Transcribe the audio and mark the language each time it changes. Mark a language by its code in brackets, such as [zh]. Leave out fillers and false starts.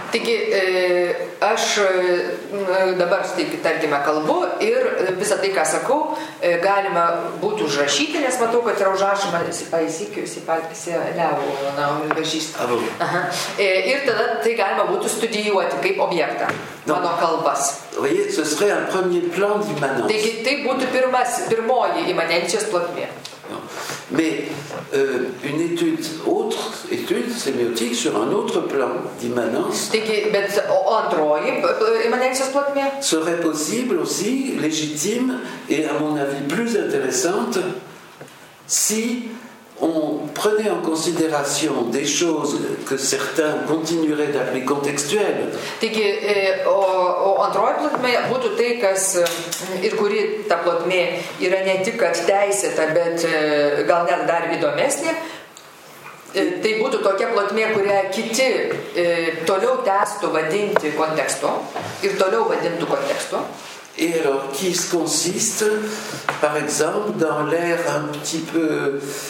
[lt] Taigi, aš dabar, tarkime, kalbu ir visą tai, ką sakau, galima būti užrašyti, nes matau, kad yra užrašoma, ir tada tai galima būtų studijuoti kaip objektą, mano kalbas. [fr] Voyez, ce serait un premier plan d'immanence. [lt] Taigi, tai būtų pirmoji imanencijos plotmė. [fr] Mais une étude, autre étude sémiotique sur un autre plan d'immanence. [lt] Taigi, bet antroji imanencijos plotmė. [fr] Serait possible aussi, légitime et à mon avis plus intéressante, si on prenait en considération des choses que certains continueraient d'appeler contextuelles. [lt] Taigi, antroji plotmė būtų tai, kas ir kuri ta plotmė yra ne tik kad teisėta, bet gal net dar įdomesnė. Tai būtų tokia plotmė, kurią kiti toliau testų vadinti kontekstu ir toliau vadintų kontekstu. [fr] Et alors, qui consiste, par exemple, dans l'air un petit peu...